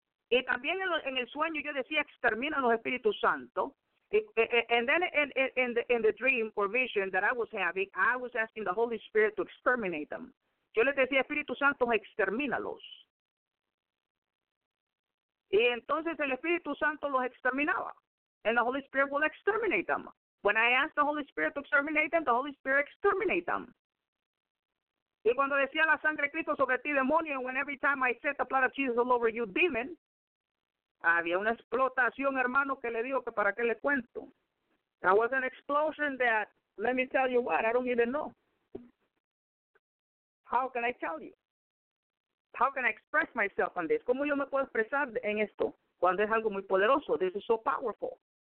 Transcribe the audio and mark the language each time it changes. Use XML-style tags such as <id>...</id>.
<es>Y también en el sueño yo decía, extermina los Espíritus Santo.</es> <en>And then in the dream or vision that I was having, I was asking the Holy Spirit to exterminate them.</en> <es>Yo les decía, Espíritu Santo, extermínalos. Y entonces el Espíritu Santo los exterminaba.</es> <en>And the Holy Spirit will exterminate them. When I asked the Holy Spirit to exterminate them, the Holy Spirit exterminate them.</en> <es>Y cuando decía la sangre de Cristo sobre ti, demonio,</es> <en>when every time I set the blood of Jesus all over you, demon,</en> <es>había una explotación, hermano, que le digo que para qué le cuento.</es> <en>That was an explosion that, let me tell you what, I don't even know. How can I tell you? How can I express myself on this?</en> <es>¿Cómo yo me puedo expresar en esto? Cuando es algo muy poderoso.</es> <en>This is so powerful.</en>